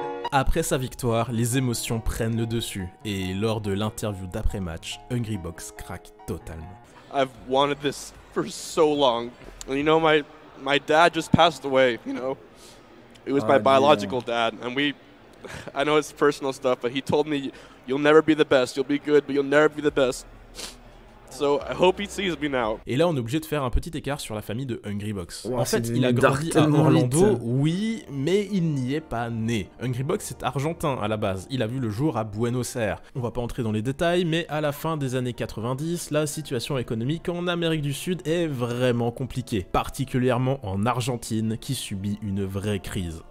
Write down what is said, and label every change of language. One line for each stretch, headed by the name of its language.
French: Après sa victoire, les émotions prennent le dessus. Et lors de l'interview d'après-match, Hungrybox craque totalement.
English: I've wanted this for so long. You know, my dad just passed away, you know. It was my biological dad, and we... I know it's personal stuff, but he told me, you'll never be the best. You'll be good, but you'll never be the best. So I hope he sees me now.
French: Et là, on est obligé de faire un petit écart sur la famille de Hungrybox. Wow, en fait, il a grandi à Orlando, oui, mais il n'y est pas né. Hungrybox est argentin à la base, il a vu le jour à Buenos Aires. On va pas entrer dans les détails, mais à la fin des années 90, la situation économique en Amérique du Sud est vraiment compliquée, particulièrement en Argentine, qui subit une vraie crise.